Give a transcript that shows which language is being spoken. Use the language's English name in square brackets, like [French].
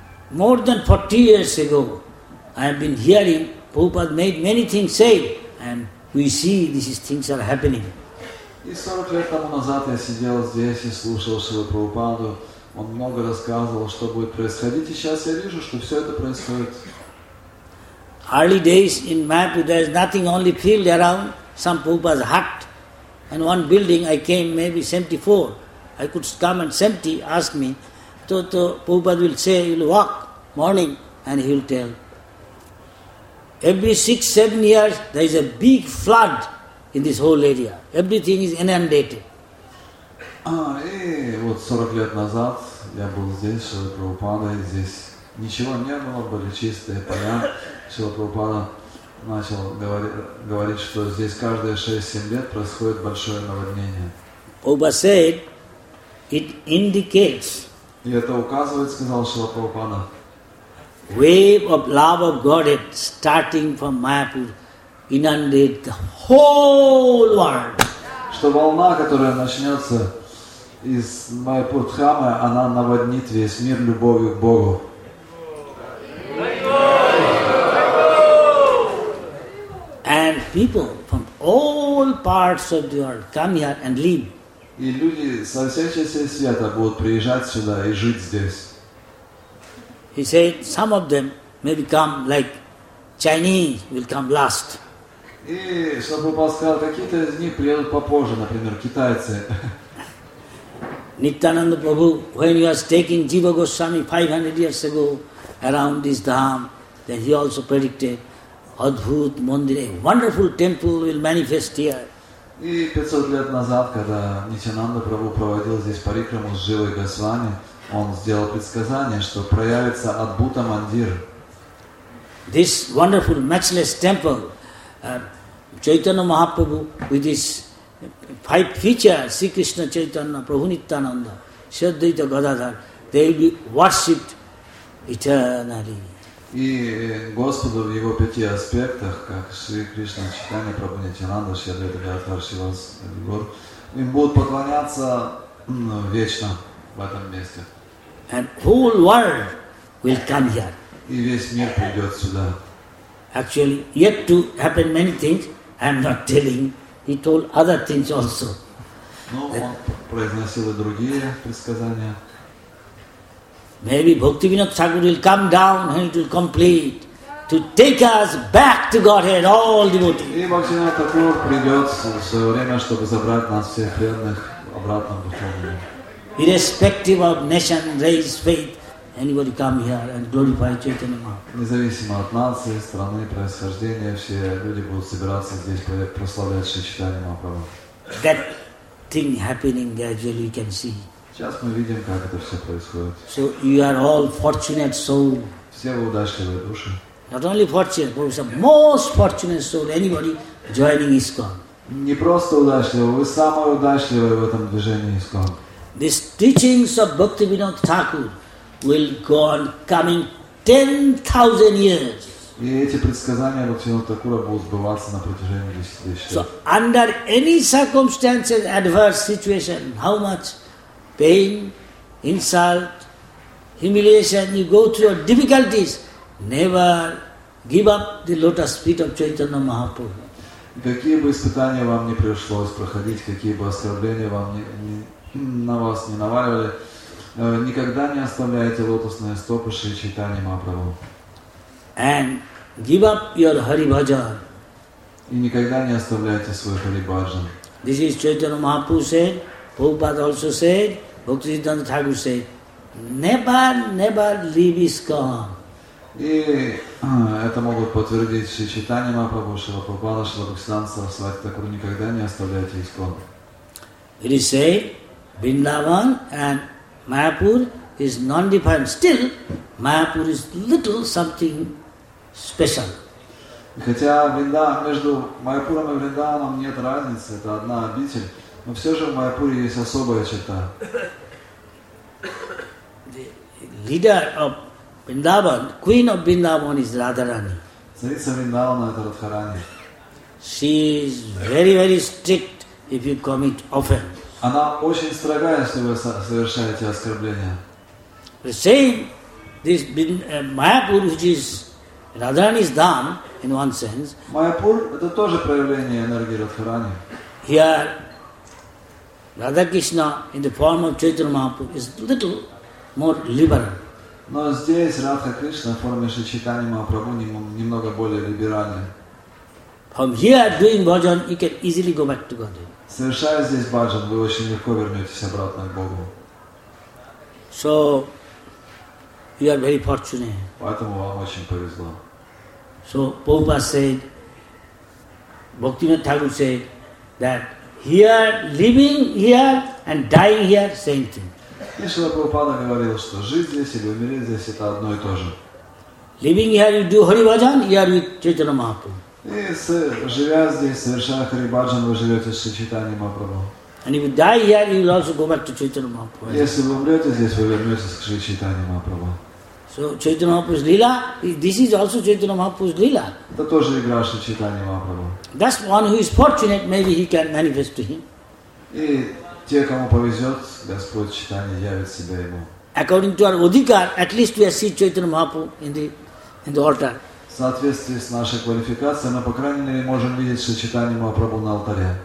[English] More than 40 years ago, I have been hearing Prabhupada made many things say, and we see these things are happening. [Russian] И 40 лет тому назад я сидел здесь и слушал Шрилу Прабхупаду. Он много рассказывал, что будет происходить, и сейчас я вижу, что все это происходит. [English] Early days in Mayapur, there is nothing, only field around, some Prabhupada's hut. And one building, I came maybe 74. I could come and 70, ask me. So Prabhupada will say, you will walk morning, and he will tell. Every 6-7 years, there is a big flood in this whole area. Everything is inundated. [Russian] Вот 40 лет назад я был здесь, что Прабхупада, и здесь ничего не было, были чистые поля. Шрила Прабхупада начал говорить, что здесь каждые 6-7 лет происходит большое наводнение. [English] Prabhupada said, it indicates. [Russian] И это указывает, сказал Шрила Прабхупада. [English] Wave of love of Godhead starting from Mayapur inundated the whole world. [Russian] Что волна, которая начнется из Майяпур Дхамы, она наводнит весь мир любовью к Богу. [English] And people from all parts of the world come here and live. [Russian] И люди со всей части света будут приезжать сюда и жить здесь. [English] He said some of them may become like Chinese will come last. [Russian] И чтобы Прабхупада сказал, какие-то из них приедут попозже, например, китайцы. [English] Nityananda Prabhu, when he was taking Jiva Goswami 500 years ago around this dham, then he also predicted Adhut Mandir, a wonderful temple will manifest here. [Russian] И 500 лет назад, когда Нитянанда Прабху проводил здесь парикраму с Живой Госвами, он сделал предсказание, что проявится Адбута Мандир. [English] This wonderful matchless temple, Chaitanya Mahaprabhu with his five features, Sri Krishna Chaitanya, Prabhu Nityananda, Shraddhita Gadadhar, they will be worshipped eternally. [Russian] И Господу в его пяти аспектах, как Шри Кришна Чайтанья, Прабху Нитянанда, Шри Адвайта Гададхара, Шри Васа Гор, им будут поклоняться вечно в этом месте. [English] And whole world will come here. [Russian] И весь мир придет сюда. [English] Actually, yet to happen many things, I'm not telling. He told other things also. [Russian] Ну, он произносил и другие предсказания. [English] Maybe Bhaktivinoda Thakur will come down and it will complete to take us back to Godhead, all devotees. [Russian] И Бхактивинода Такур придет в свое время, чтобы забрать нас всех верных обратно в Духовную. [English] Irrespective of nation, race, faith, anybody come here and glorify Chaitanya Mahaprabhu. [Russian] Независимо от нации, страны, происхождения, все люди будут собираться здесь прославлять Шри Чайтанья Махапрабху. [English] That thing happening gradually you can see. [Russian] Сейчас мы видим, как это все происходит. [English] So you are all fortunate soul. [Russian] Все вы удачливые души. [English] Not only fortunate, but the most fortunate soul anybody joining ISKCON. [Russian] Не просто удачливые, вы самые удачливые в этом движении ISKCON. [English] These teachings of Bhaktivinoda Thakur will go on coming 10,000 years. [Russian] И эти предсказания Бхактивинода Такура будут сбываться на протяжении 10 тысяч лет. [English] So under any circumstances, adverse situation, how much pain, insult, humiliation, you go through your difficulties, never give up the lotus feet of Chaitanya Mahaprabhu. [Russian] Какие бы испытания вам не пришлось проходить, какие бы оскорбления вам не на вас не наваливали, никогда не оставляйте лотосные стопы Шри Чайтаньи Махапрабху. [English] And give up your Hari Bhajan. [Russian] И никогда не оставляйте свой Hari Bhajan. [English] This is Chaitanya Mahaprabhu said, Prabhupada also said, Bhaktisiddhanta Thakur said, never, never leave ISKCON. [Russian] И это могут подтвердить Шри Чайтанья Махапрабху, Шрила Прабхупада, Шрила Бхактисиддханта Сарасвати Такур, никогда не оставляйте ISKCON. [English] It is said, Vrindavan and Mayapur is non-defined. Still, Mayapur is little something special. [Russian] Хотя Винда, между Майапуром и Вриндаваном нет разницы, это одна обитель, но все же в Майапуре есть особая черта. [English] The leader of Vrindavan, queen of Vrindavan is Radharani. [Russian] Царица Вриндавана – это Радхарани. [English] She is very, very strict if you commit offense. [Russian] Она очень строга, если вы совершаете оскорбление. [English] The same, this Mayapur, which is Radharani's dham, in one sense. [Russian] Mayapur – это тоже проявление энергии Радхарани. [English] Here, Radha Krishna, in the form of Chaitanya Mahaprabhu, is little more liberal. [Russian] Но здесь Радха Кришна, в форме Шри Чайтанья Махапрабху, немного более либеральная. [English] From here, doing bhajan, you can easily go back to Godhead. [Russian] Совершая здесь баджан, вы очень легко вернетесь обратно к Богу. [English] So, you are very fortunate. [Russian] Поэтому вам очень повезло. [English] So, Prabhupada said, Bhaktivinoda Thakur said, that here, living here and dying here, same thing. [Russian] И Шрила Прабхупада говорил, что жить здесь или умереть здесь, это одно и то же. [English] Living here, you do Hari Bhajan, here with Chaitanya Mahaprabhu. [Russian] И живя здесь, совершая Хари Бхаджан, вы живете с Чайтаньей Махапрабху. [English] Here, you will also go back to Chaitanya Mahaprabhu. [Russian] Если вы умрете здесь, вы вернетесь к Шри Чайтанье Махапрабху. [English] So Chaitanya Mahaprabhu's Lila, this is also Chaitanya Mahaprabhu's Lila. [Russian] Это тоже игра Шри Чайтанье Махапрабху. [English] That's one who is fortunate, maybe he can manifest to him. [Russian] И те, кому повезет, Господь Чайтанья явит себя ему. [English] According to our Odhikar, at least we see Chaitanya Mahaprabhu in the altar. [Russian] В соответствии с нашей квалификацией, мы, по крайней мере, можем видеть Шри Чайтанья Махапрабху на алтаре.